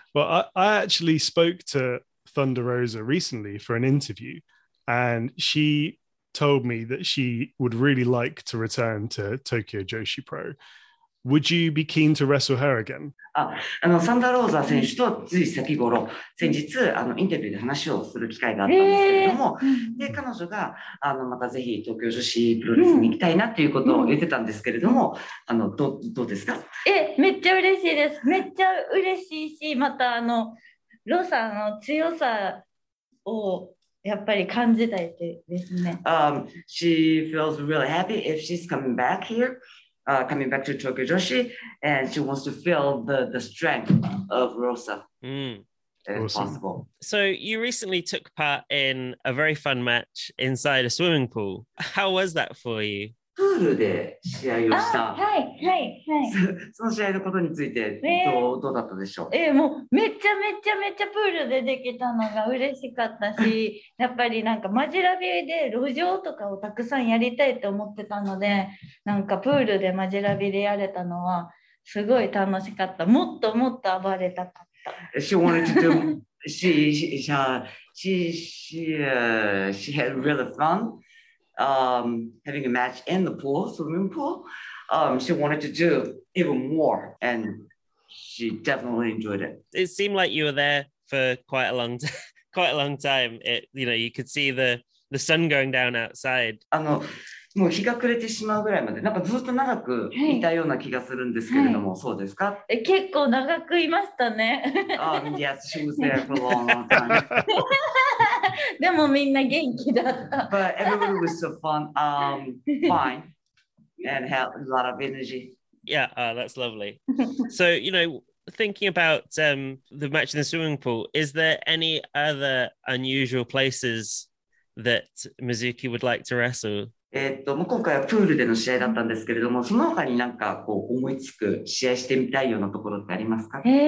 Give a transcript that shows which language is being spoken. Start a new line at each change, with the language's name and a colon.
English: Well, I actually spoke to Thunder Rosa recently for an interview, and she told me that she would really like to return to Tokyo Joshi Pro. Would you be keen to wrestle her again?
Japanese: サンダーローザ選手とつい先頃、先日インタビューで話をする機会があったんですけれども、で彼女がまたぜひ東京女子プロレスに行きたいなということを言ってたんですけれども、どうですか？めっちゃ嬉しいです。めっちゃ嬉しいし、またローザの強さをやっぱり感じたいですね。
English: She feels really happy if she's coming back here. Coming back to Tokyo Joshi, and she wants to feel the strength of Rosa, if possible. So you recently took part in a very fun match inside a swimming pool. How was that for you?
Japanese: プールで試合をした。はいはいはい。その試合のことについてどうだったでしょう。もうめちゃめちゃめちゃプールでできたのが嬉しかったし、やっぱりなんかマジラビで路上とかをたくさんやりたいと思ってたので、なんかプールでマジラビでやれたのはすごい楽しかった。もっともっと暴れたかった。
English: She wanted to do she had really fun. Having a match in the pool, swimming pool, she wanted to do even more, and she definitely enjoyed it. It seemed like you were there for quite a long, quite a long time. It, you know, you could see the sun going down outside.
Japanese: もう日が暮れてしまうぐらいまで、なんかずっと長くいたような気がするんですけれども、はい、そうですか？結構長くいましたね。
English: Yes, she was there for a long time.
Japanese: でもみんな元気だった。
English: But everybody was so fun, fine, and had a lot of energy. Yeah, that's lovely. So, you know, thinking about the match in the swimming pool, is there any other unusual places that Mizuki would like to wrestle?
Japanese: もう今回はプールでの試合だったんですけれども、その他になんかこう思いつく試合してみたいようなところってありますか？